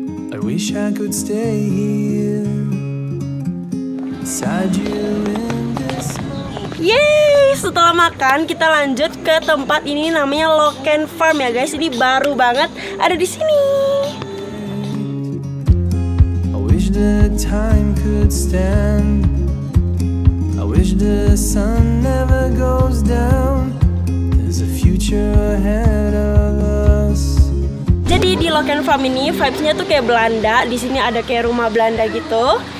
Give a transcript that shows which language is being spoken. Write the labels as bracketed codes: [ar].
[en] I wish I could stay here beside you. [id] Yeay, setelah makan kita lanjut ke tempat ini namanya Loken Farm ya guys. Ini baru banget ada di sini. [en] I wish the time could stand. I wish the sun never goes down. There's a future ahead of us. [id] Jadi di Loken Farm ini vibes-nya tuh kayak Belanda. Di sini ada kayak rumah Belanda gitu.